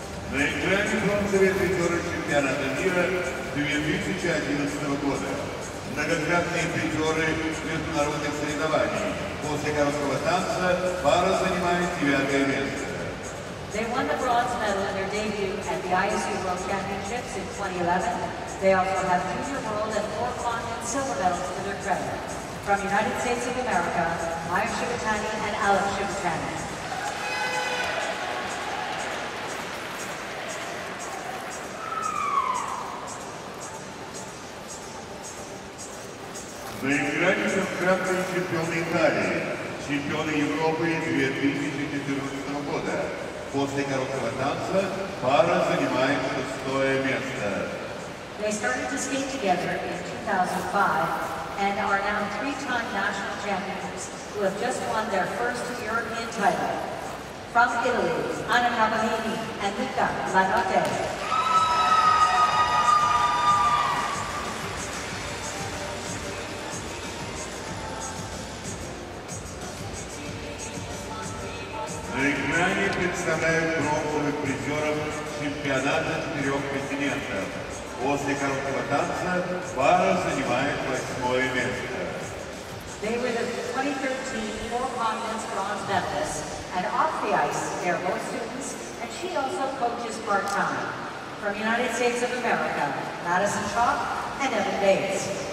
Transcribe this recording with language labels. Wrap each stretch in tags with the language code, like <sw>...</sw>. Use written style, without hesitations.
<ru>На экране бронзовые призеры чемпионата мира 2011 года. Многократные призеры международных соревнований. После короткого танца пара занимает девятое место.</ru> <en>They won the bronze medal in their debut at the ISU World Championships in 2011. They also have junior world and four continent silver medals to their credit. From United States of America, Meryl Davis and Alex Shibatani.</en> <ru>На экране трехкратные чемпионы Италии, чемпионы Европы 2014 года. После короткого танца пара занимает шестое место.</ru> <en>They started to skate together in 2005 and are now three-time national champions who have just won their first European title. From Italy, Anna Cavallini and Luca Lanotte.</en> <ru>На экране представляют бронзовых призеров чемпионата четырех континентов. После короткого танца пара занимает восьмое место.</ru> <en>They were the 2013 four continents bronze medalists, and off the ice, they are both students, and she also coaches part-time. From United States of America, Madison Chalk and Evan Bates.</en>